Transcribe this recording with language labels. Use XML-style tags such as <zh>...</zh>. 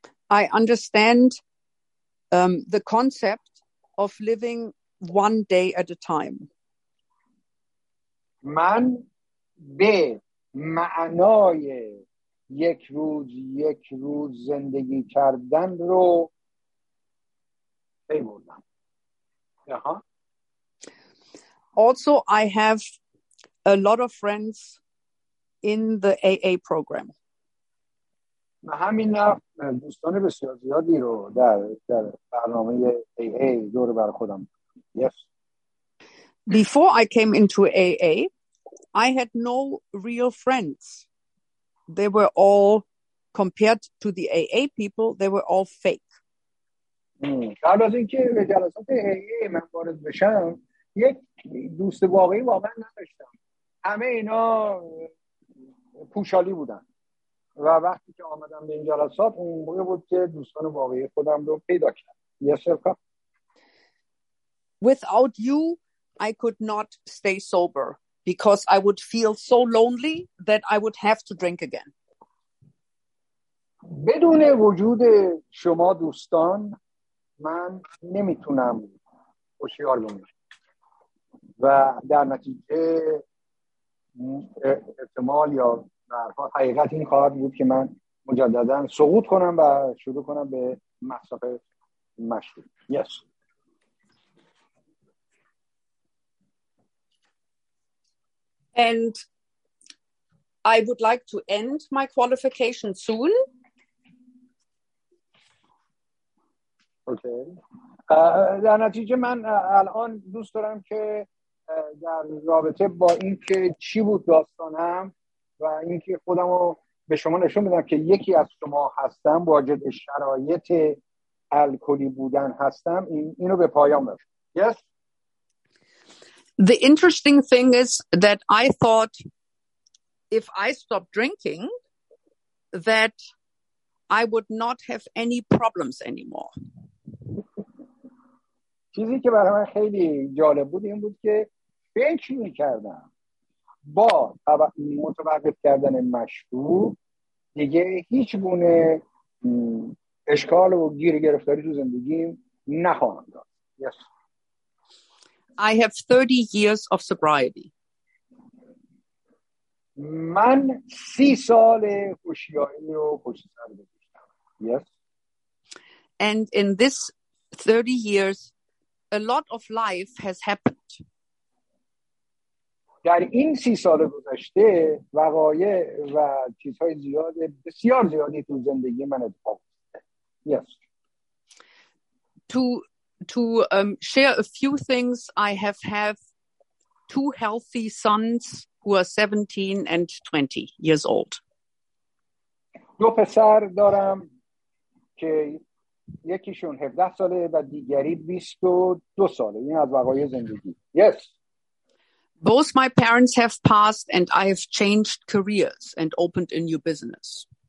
<en>I understand the concept of living one day at a time.</en> <fa>من به معنای یک روز زندگی کردن رو پی بردم.</fa> <en>Also, I have a lot of friends in the AA program.</en> <fa>من همین دوستان بسیار زیادی رو در برنامه AA دور بر خودم.</fa> <en>Yes. Before I came into AA, I had no real friends. They were all, compared to the AA people, they were all fake.</en> <fa>قبل از اینکه به جلسات AA من وارد بشم، یک دوست واقعی نداشتم. همه اینا پوشالی بودن. و وقتی که آمدم به این جلسات، اون موقع بود که دوستان واقعی خودم رو پیدا کردم.</fa> <en>Yes, sir. Without you, I could not stay sober because I would feel so lonely that I would have to drink again.</en> <fa>بدون وجود شما دوستان، من نمیتونم هوشیار بمونم و در نتیجه احتمال یا در حقیقت این خواهد بود که من مجددا سقوط کنم و شروع کنم به مصرف مشروب.</fa> <en>Yes. And I would like to end my qualification soon.</en> <fa>بوده. در نتیجه من الان دوست دارم که در رابطه با اینکه چی بود داستانم و اینکه خودم رو به شما نشون بدم که یکی از شما هستم، واجد شرایط الکلی بودن هستم، اینو به پایان برسونم.</fa> <en>Yes. The interesting thing is that I thought if I stop drinking that I would not have any problems anymore.</en> <fa>چیزی که برای من خیلی جالب بود این بود که فکر می‌کردم با متوقف کردن مشروب دیگه هیچ گونه اشکال و گیر گرفتاری تو زندگیم نخواهم داشت.</fa> <en>Yes. I have 30 years of sobriety.</en> <fa>من 30 سال هوشیاری و خوش‌سر گذشتم.</fa> <en>Yes. And in this 30 years a lot of life has happened.</en> <fa>در این 30 سال گذشته وقایع و چیزهای زیاد بسیار زیادی تو زندگی من اتفاق افتاده.</fa> <en>Yes. To share a few things, I have two healthy sons who are 17 and 20 years old.</en> <fa>دو پسر دارم که یکیشون 17 ساله و دیگری 22 ساله. این از وقایع زندگی. Yes.</fa> <en>Both my parents have passed and I have changed careers and opened a new business.</en>